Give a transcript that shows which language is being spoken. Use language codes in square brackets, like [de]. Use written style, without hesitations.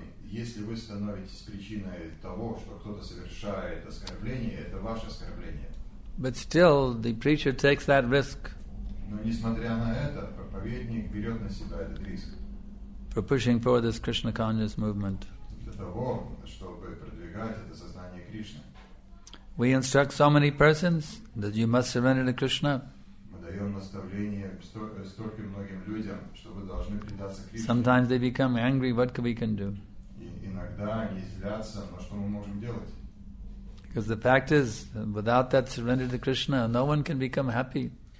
[ru] Если вы становитесь причиной того, что кто-то совершает оскорбление, это ваше оскорбление. [en] But still, the preacher takes that risk. [ru] Но несмотря на это, проповедник берет на себя этот риск. [en] For pushing forward this Krishna conscious movement. [ru] Для того, чтобы продвигать это сознание Кришны. [en] We instruct so many persons that you must surrender to Krishna. [ru] Мы даем наставление стольким многим людям, что вы должны предаться Кришне. [en] Sometimes they become angry. What can we can do? Because the fact is, without that surrender to Krishna, no one can become happy.